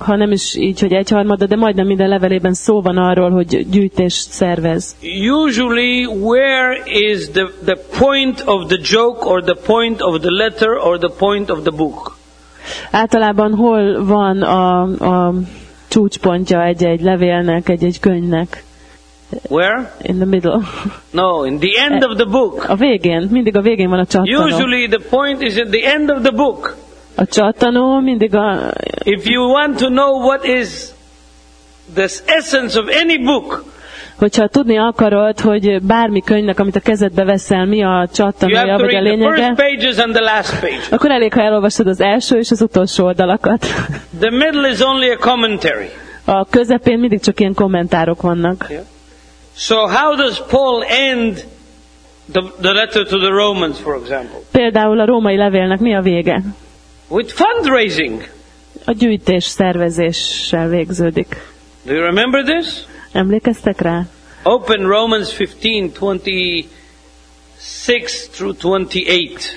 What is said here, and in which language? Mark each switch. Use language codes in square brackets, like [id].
[hu] Ha nem is így, hogy egyharmada, de majdnem minden levelében szó van arról, hogy gyűjtést szervez. [en] Usually, where is the point of the joke or the point of the letter or the point of the book? [hu] általában hol van a csúcspontja egy-egy levélnek, egy-egy könyvnek? [en] Where? In the middle. No, in the end of the book. [hu] A végén, mindig a végén van a csattanó. [en] Usually the point is at the end of the book. [hu] A csattanó mindig a... [en] If you want to know what is the essence of any book. [hu] Hogyha tudni akarod, hogy bármi könyvnek, amit a kezedbe veszel, mi a csattanója vagy a lényege, akkor elég, ha elolvasod az első és az utolsó oldalakat. [en] The middle is only a commentary. [hu] A közepén mindig csak ilyen kommentárok vannak. [en] So how does Paul end the letter to the Romans, for example? [hu] Például a római levélnek mi a vége? [en] With fundraising. [hu] A gyűjtés szervezéssel végződik. [en] Do you remember this? [hu] Emlékeztek rá? [en] Open Romans 15:26-28.